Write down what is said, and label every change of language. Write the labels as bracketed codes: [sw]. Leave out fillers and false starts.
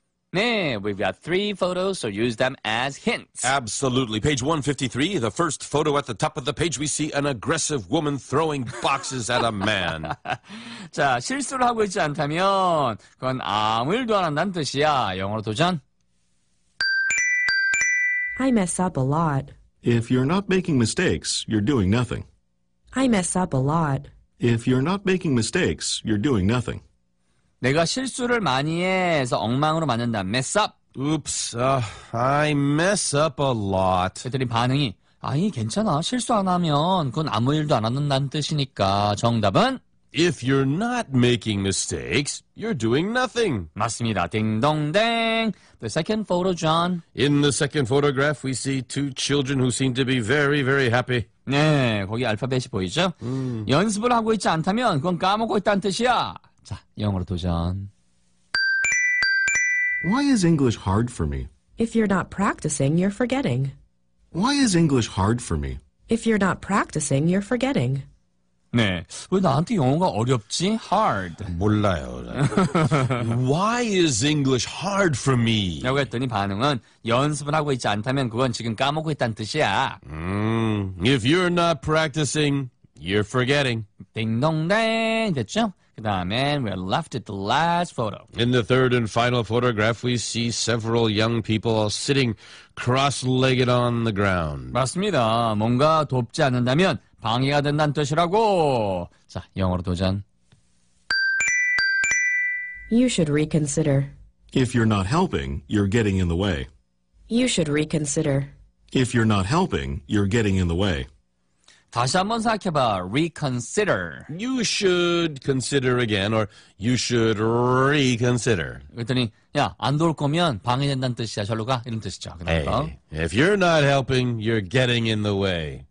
[en] Yeah, we've got three photos, so use them as hints. Absolutely. Page 153, the first photo at the top of the page, we see an aggressive woman throwing boxes at a man. [ko] 자, 실수를 하고 있지 않다면 그건 아무 일도 안 한다는 뜻이야. 영어로 도전. [en] I mess up a lot. If you're not making mistakes, you're doing nothing. I mess up a lot. If you're not making mistakes, you're doing nothing. [ko] 내가 실수를 많이 해서 엉망으로 만든다. [en] Mess up. Oops. I mess up a lot. [ko] 애들이 반응이 아니 괜찮아. 실수 안 하면 그건 아무 일도 안 한다는 뜻이니까. 정답은 [en] If you're not making mistakes, you're doing nothing. [ko] 맞습니다. 딩동댕. [en] The second photo, John. In the second photograph, we see two children who seem to be very, very happy. [ko] 네, 거기 알파벳이 보이죠? 연습을 하고 있지 않다면 그건 까먹고 있다는 뜻이야. 자, 영어로 도전. [en] Why is English hard for me? If you're not practicing, you're forgetting. Why is English hard for me? If you're not practicing, you're forgetting. [ko] 네, 왜 나한테 영어가 어렵지? [en] Hard. [ko] 몰라요. [en] Why is English hard for me? [ko] 라고 했더니 반응은 연습을 하고 있지 않다면 그건 지금 까먹고 있다는 뜻이야. [en] If you're not practicing, you're forgetting. [ko] 딩동댕 됐죠? [en] 그 다음에 we're left at the last photo. In the third and final photograph, we see several young people sitting cross-legged on the ground. [ko] 맞습니다. 뭔가 돕지 않는다면 방해가 된다는 뜻이라고. 자, 영어로 도전. [en] You should reconsider. If you're not helping, you're getting in the way. You should reconsider. If you're not helping, you're getting in the way. [ko] 다시 한번 생각해봐. [en] Reconsider. You should consider again, or you should reconsider. [ko] 그랬더니, 야, 안 도울 거면 방해된다는 뜻이야. 절로 가. 이런 뜻이죠. 그러니까. [en] Hey, if you're not helping, you're getting in the way.